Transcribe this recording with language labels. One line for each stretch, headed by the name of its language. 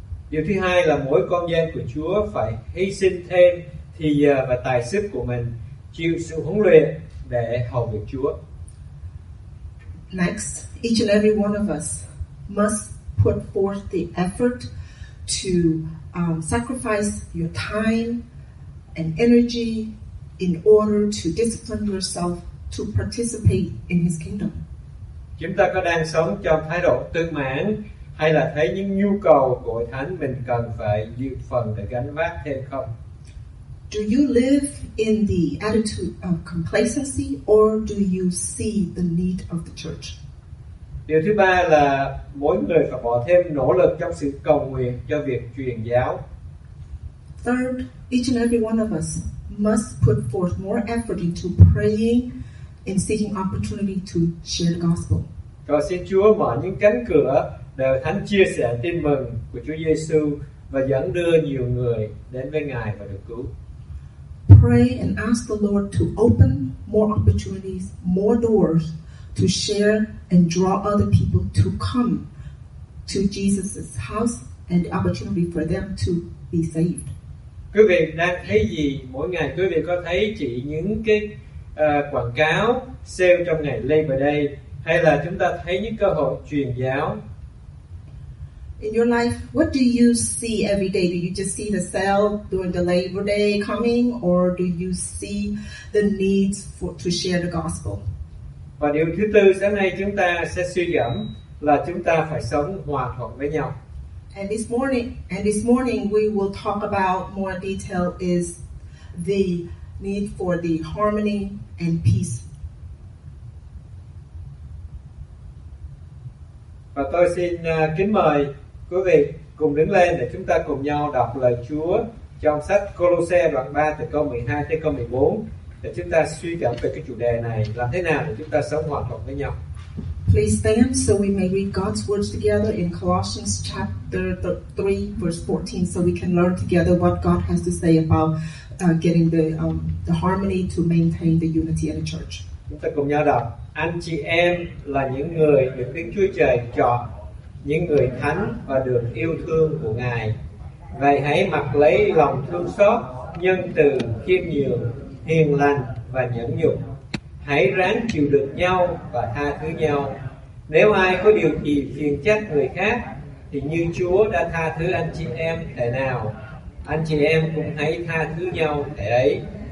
Vietnamese: Điều thứ hai là mỗi con dân của Chúa phải hy sinh thêm thì giờ và tài sức của mình, chịu sự huấn luyện để hầu việc Chúa.
English: Next, each and every one of us must put forth the effort to sacrifice your time and energy in order to discipline yourself to participate in his kingdom.
Vietnamese: Chúng ta có đang sống trong thái độ tự mãn hay là thấy những nhu cầu của Hội Thánh mình cần phải dự phần để gánh vác thêm không?
English: Do you live in the attitude of complacency or do you see the need of the church?
Vietnamese: Điều thứ ba là mỗi người phải bỏ thêm nỗ lực trong sự cầu nguyện cho việc truyền giáo.
English: Third, each and every one of us must put forth more effort into praying and seeking opportunity to share the gospel.
Vietnamese: Cầu xin Chúa mở những cánh cửa để Thánh chia sẻ tin mừng của Chúa Giêsu và dẫn đưa nhiều người đến với Ngài và được cứu.
English: Pray and ask the Lord to open more opportunities, more doors to share and draw other people to come to Jesus' house and the opportunity for them to be saved.
Vietnamese: Quý vị đang thấy gì? Mỗi ngày quý vị có thấy chỉ những cái quảng cáo sale trong ngày Labor Day hay là chúng ta thấy những cơ hội truyền giáo?
English: In your life, what do you see every day? Do you just see the sale during the Labor Day coming, or do you see the needs to share the gospel?
Vietnamese: Và điều thứ tư sáng nay chúng ta sẽ suy gẫm là chúng ta phải sống hòa thuận với nhau.
English: And this morning we will talk about more detail is the need for the harmony and peace.
Vietnamese: Và tôi xin kính mời quý vị cùng đứng lên để chúng ta cùng nhau đọc lời Chúa trong sách Côlôse đoạn 3 từ câu 12 tới câu 14 để chúng ta suy gẫm về cái chủ đề này, làm thế nào để chúng ta sống hòa thuận với nhau.
English: Please stand so we may read God's words together in Colossians chapter 3 verse 14 so we can learn together what God has to say about getting the harmony to maintain the unity in the church.
Vietnamese: Chúng ta cùng nhau đọc. Anh chị em là những người được Đức Chúa Trời chọn, những người thánh và được yêu thương của Ngài. Vậy hãy mặc lấy lòng thương xót, nhân từ, khiêm nhường, hiền lành và nhẫn nhục. Hãy ráng chịu đựng nhau và tha thứ nhau. Nếu ai có điều gì phiền trách người khác, thì như Chúa đã tha thứ anh chị em thể nào, anh chị em cũng hãy tha thứ nhau thể ấy.